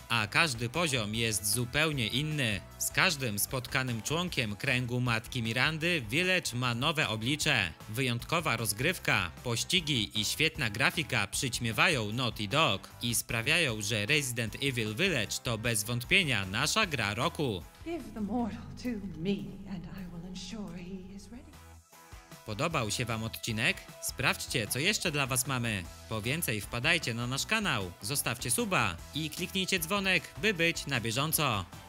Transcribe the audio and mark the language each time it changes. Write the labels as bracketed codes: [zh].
[pl] A każdy poziom jest zupełnie inny. Z każdym spotkanym członkiem kręgu matki Mirandy Village ma nowe oblicze. Wyjątkowa rozgrywka, pościgi i świetna grafika przyćmiewają Naughty Dog i sprawiają, że Resident Evil Village to bez wątpienia nasza gra roku. [en] Give the mortal to me and I will ensure he is ready. [pl] Podobał się Wam odcinek? Sprawdźcie, co jeszcze dla Was mamy. Po więcej wpadajcie na nasz kanał, zostawcie suba i kliknijcie dzwonek, by być na bieżąco.